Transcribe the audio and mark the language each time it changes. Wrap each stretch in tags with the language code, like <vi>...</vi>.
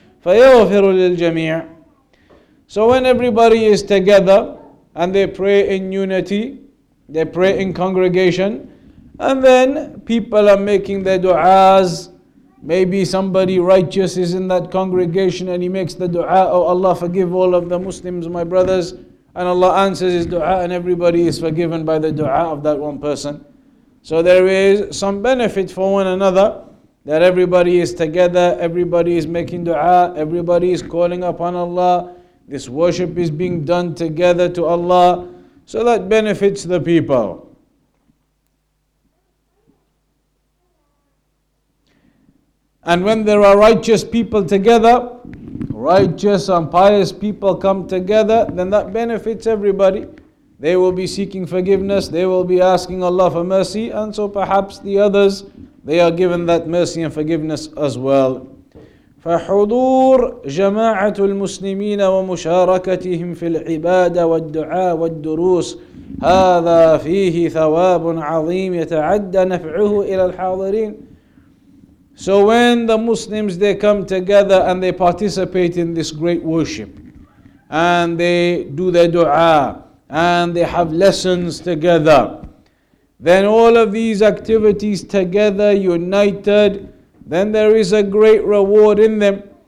<en>So when everybody is together and they pray in unity, they pray in congregation, and then people are making their du'as, maybe somebody righteous is in that congregation and he makes the du'a, oh Allah forgive all of the Muslims, my brothers, and Allah answers his du'a and everybody is forgiven by the du'a of that one person. So there is some benefit for one another. That everybody is together, everybody is making dua, everybody is calling upon Allah. This worship is being done together to Allah. So that benefits the people. And when there are righteous people together, righteous and pious people come together, then that benefits everybody. They will be seeking forgiveness, they will be asking Allah for mercy, and so perhaps the others, they are given that mercy and forgiveness as well.</en> <ar>فحضور جماعة المسلمين ومشاركتهم في العبادة والدعاء والدروس هذا فيه ثواب عظيم يتعدى نفعه إلى الحاضرين.</ar> <en>So when the Muslims, they come together and they participate in this great worship and they do their dua and they have lessons together, then all of these activities together, united, then there is a great reward in them.</en>